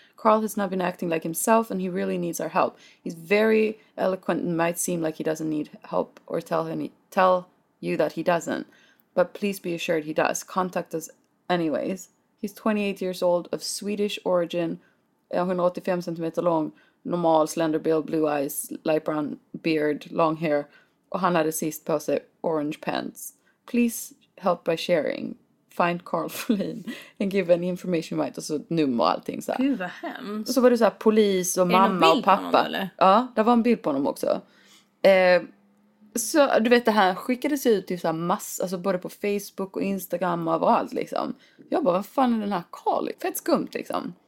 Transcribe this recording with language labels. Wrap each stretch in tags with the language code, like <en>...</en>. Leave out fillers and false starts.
<en>Carl has not been acting like himself and he really needs our help. He's very eloquent and might seem like he doesn't need help or tell any... you that he doesn't. But please be assured he does. Contact us anyways. He's 28 years old, of Swedish origin, 185 centimeter long, normal, slender build, blue eyes, light brown beard, long hair.</en> <sv>Och han hade sist på sig</sv> <en>orange pants. Please help by sharing. Find Carl Folin and give any information right.</en> <sv>Och så nummer och allting såhär. Gud vad hemskt. Och så var det såhär polis och är mamma och pappa. Honom, eller? Ja, det var en bild på honom också. Så du vet det här skickades ut till såhär mass, alltså både på Facebook och Instagram och allt liksom. Jag bara, vad fan är den här Carl? Fett skumt liksom.</sv>